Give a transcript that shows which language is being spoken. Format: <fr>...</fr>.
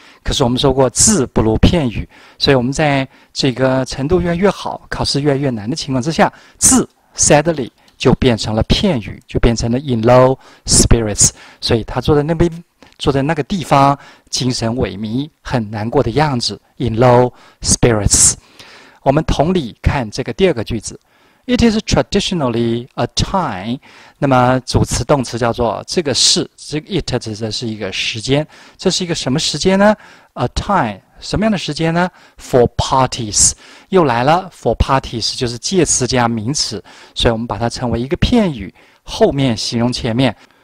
<zh>可是我们说过字不如片语，所以我们在这个程度越来越好，考试越来越难的情况之下，字 sadly 就变成了片语，就变成了</zh> <en>in low spirits，</en> <zh>所以他坐在那边，坐在那个地方精神萎靡很难过的样子， in low spirits。 我们同理看这个第二个句子，</zh> <en>It is traditionally a time.</en> <zh>那么主词动词叫做这个是，这个 it 指的是一个时间。这是一个什么时间呢？A time。什么样的时间呢？</zh> <en>For parties，</en> <zh>又来了。</zh> <en>For parties</en> <zh>就是介词加名词，所以我们把它称为一个片语，后面形容前面。</zh>